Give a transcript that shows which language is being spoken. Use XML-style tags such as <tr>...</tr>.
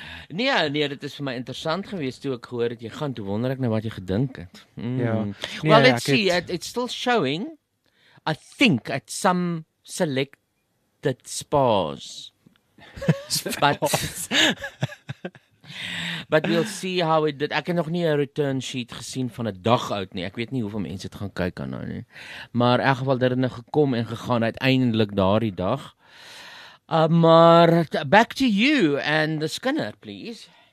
<af>Nee, dit is vir my interessant gewees toe ek gehoor het jy gaan, toe wonder ek nou wat jy gedink het. Ja.</af> <en>Well, let's see, it's still showing, I think, at some selected spas. But we'll see how it did.</en> <af>Ek het nog nie 'n return sheet gesien van 'n dag oud nie. Ek weet nie hoeveel mense dit gaan kyk aan nou nie. Maar in elk geval, dit het nou gekom en gegaan uiteindelik daardie dag. Maar</af> <en>back to you and the Skinner, please.</en>